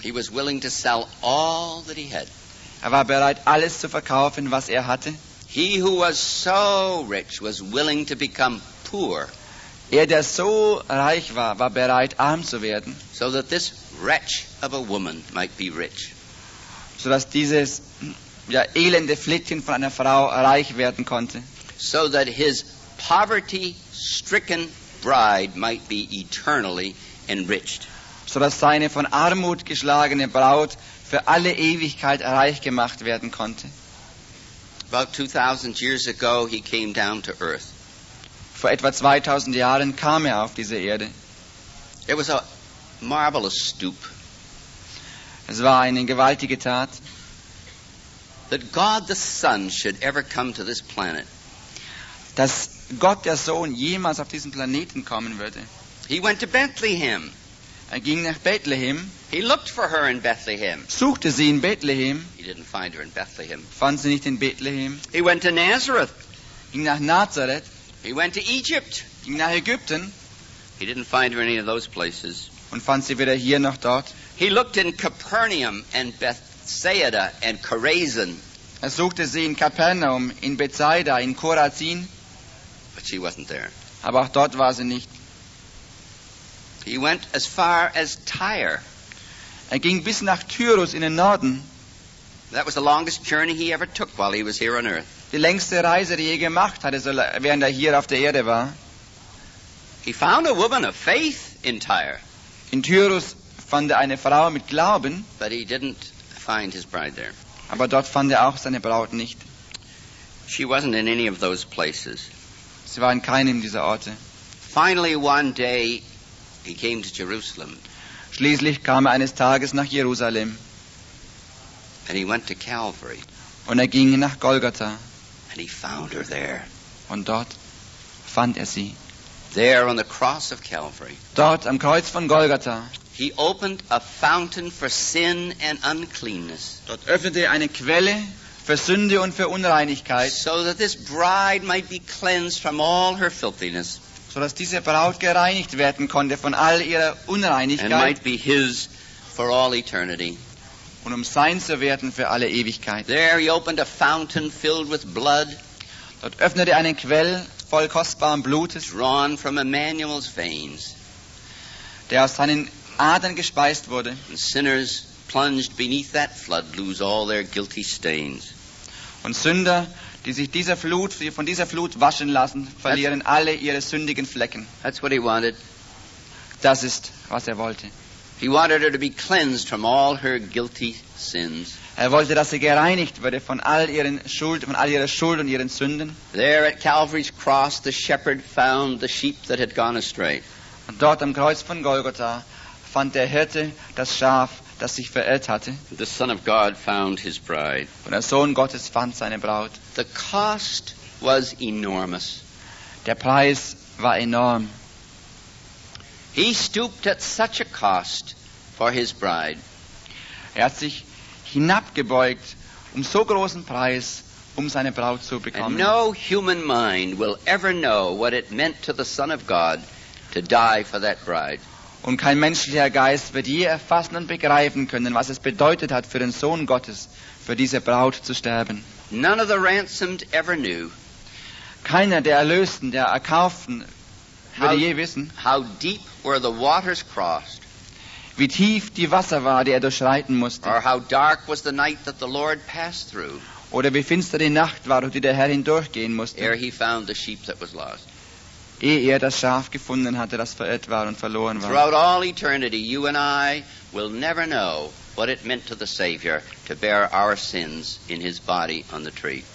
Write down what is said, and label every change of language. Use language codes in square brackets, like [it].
[en] He was willing to sell all that he had. [de] Er war bereit, alles zu verkaufen, was er hatte. [en] He who was so rich was willing to become poor. [de] Er, der so reich war, war bereit, arm zu werden. [en] So that this wretch of a woman might be rich. [de] So dass dieses elende Flittchen von einer Frau reich werden konnte. [en] So that his poverty-stricken bride might be eternally enriched. [de] So dass seine von Armut geschlagene Braut für alle Ewigkeit reich gemacht werden konnte. [en] About 2000 years ago he came down to earth. [de] Vor etwa 2000 Jahren kam er auf diese Erde. [en] It was a marvelous stoop. [de] Es war eine gewaltige Tat. [en] That God the Son should ever come to this planet. [de] Dass Gott der Sohn jemals auf diesen Planeten kommen würde. [en] He went to Bethlehem. [de] Er ging nach Bethlehem. [en] He looked for her in Bethlehem. [de] Suchte sie in Bethlehem. [en] He didn't find her in Bethlehem. [de] Fand sie nicht in Bethlehem. [en] He went to Nazareth. [de] Ging nach Nazareth. [en] He went to Egypt. [de] Ging nach Ägypten. [en] He didn't find her in any of those places. [de] Und fand sie weder hier noch dort. [en] He looked in Capernaum and Bethsaida and Chorazin. [de] Er suchte sie in Kapernaum, in Bethsaida, in Chorazin. [en] But she wasn't there. [de] Aber auch dort war sie nicht. [en] He went as far as Tyre. [de] Er ging bis nach Tyrus in den Norden. [en] That was the longest journey he ever took while he was here on earth. [de] Die längste Reise, die er je gemacht hatte, während er hier auf der Erde war. [en] He found a woman of faith in Tyre. [de] In Tyrus fand er eine Frau mit Glauben. [en] But he didn't find his bride there. [de] Aber dort fand er auch seine Braut nicht. [en] She wasn't in any of those places. [de] Sie war in keinem dieser Orte. [en] Finally, one day, he came to Jerusalem. [de] Schließlich kam er eines Tages nach Jerusalem. [en] And he went to Calvary. [de] Und er ging nach Golgatha. [en] And he found her there. [de] Und dort fand er sie. [en] There on the cross of Calvary. [de] Dort am Kreuz von Golgatha. [en] He opened a fountain for sin and uncleanness. [de] Dort öffnete er eine Quelle für Sünde und für Unreinigkeit. [en] So that this bride might be cleansed from all her filthiness. [de] So dass diese Braut gereinigt werden konnte von all ihrer Unreinigkeit. [en] And might be his for all eternity. [de] Und um sein zu werden für alle Ewigkeit. [en] There he opened a fountain filled with blood. [de] Dort öffnete er eine Quelle voll kostbaren Blutes. [en] Drawn from Emmanuel's veins. [de] Der aus seinen Adern gespeist wurde. [en] And sinners plunged beneath that flood lose all their guilty stains. [de] Und Sünder, die sich dieser Flut, von dieser Flut waschen lassen, verlieren [en] that's, [de] alle ihre sündigen Flecken. [en] That's what he wanted. [de] Das ist, was er wollte. [en] He wanted her to be cleansed from all her guilty sins. [de] Er wollte, dass sie gereinigt würde von all ihren Schuld, von all ihrer Schuld und ihren Sünden. [en] There at Calvary's cross, the shepherd found the sheep that had gone astray. [de] Und dort am Kreuz von Golgatha fand der Hirte das Schaf, das sich verirrt hatte. [en] The Son of God found his bride. [de] Und der Sohn Gottes fand seine Braut. [en] The cost was enormous. [de] Der Preis war enorm. [en] He stooped at such a cost for his bride. [de] Er hat sich hinabgebeugt um so großen Preis, um seine Braut zu bekommen. [en] And no human mind will ever know what it meant to the Son of God to die for that bride. [de] Und kein menschlicher Geist wird je erfassen und begreifen können, was es bedeutet hat für den Sohn Gottes, für diese Braut zu sterben. [en] None of the ransomed ever knew. [de] Keiner der Erlösten, der Erkauften, würde je wissen, [en] how deep were the waters crossed, [de] wie tief die Wasser war, die er durchschreiten musste, [en] or how dark was the night that the Lord passed through, [de] oder wie finster die Nacht war, durch die der Herr hindurchgehen musste, [en] ere he found the sheep that was lost. [de] Ehe er das Schaf gefunden hatte, das verirrt war und verloren war. [en] Throughout all eternity, you and I will never know what it meant to the Savior to bear our sins in his body on the tree.